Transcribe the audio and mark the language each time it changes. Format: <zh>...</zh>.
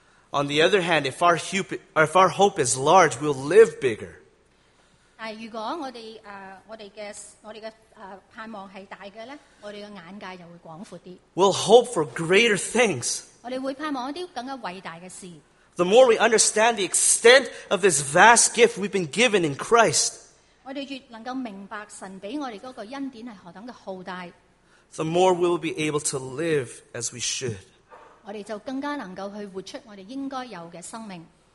<en>On the other hand, if our hope is large, we'll live bigger.</en> <zh>但如果我们的盼望是大的，我们的眼界就会广阔一些。</zh> <en>We'll hope for greater things.</en> <zh>我们会盼望一些更加伟大的事。</zh> <en>The more we understand the extent of this vast gift we've been given in Christ,</en> <zh>我们越能够明白神给我们的恩典是何等的浩大。</zh> <en>The more we will be able to live as we should.</en> <zh>我们就更加能够去活出我们应该有的生命。</zh>